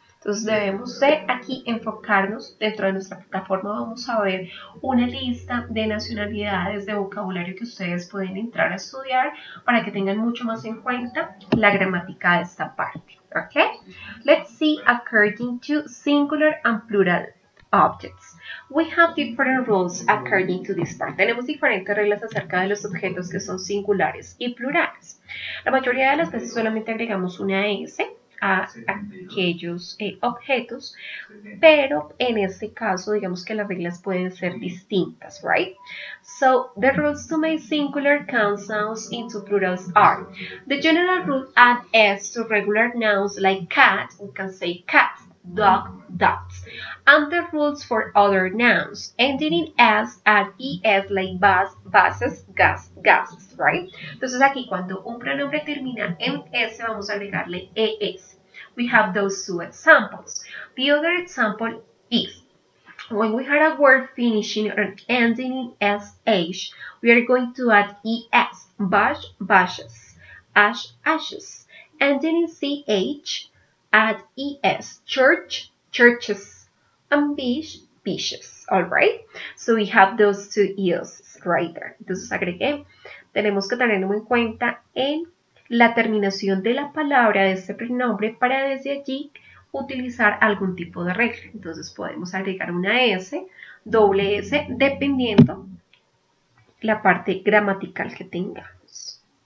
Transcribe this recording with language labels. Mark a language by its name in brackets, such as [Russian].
[Spanish] Entonces debemos de aquí enfocarnos dentro de nuestra plataforma. Vamos a ver una lista de nacionalidades, de vocabulario que ustedes pueden entrar a estudiar para que tengan mucho más en cuenta la gramática de esta parte. ¿Ok? [English] Let's see according to singular and plural objects. We have different rules according to this part. [Spanish] Tenemos diferentes reglas acerca de los objetos que son singulares y plurales. La mayoría de las veces solamente agregamos una S a aquellos objetos, pero en este caso digamos que las reglas pueden ser distintas, right? [English] So, the rules to make singular nouns into plurals are the general rule add S to regular nouns like cat, we can say cat, dog, dogs. And the rules for other nouns ending in S at ES like bus, buses, gas, gases, right? [Spanish] Entonces aquí cuando un pronombre termina en S vamos a agregarle ES. [English] We have those two examples. The other example is when we have a word finishing or ending in SH, we are going to add ES, bash, bashes, ash, ashes. Ending in CH, add ES, church, churches, and beach, beaches, all right? So we have those two E's right there. [Spanish] Entonces agregué, tenemos que tenerlo en cuenta en la terminación de la palabra de ese pronombre para desde allí utilizar algún tipo de regla. Entonces podemos agregar una S, doble S, dependiendo la parte gramatical que tengamos.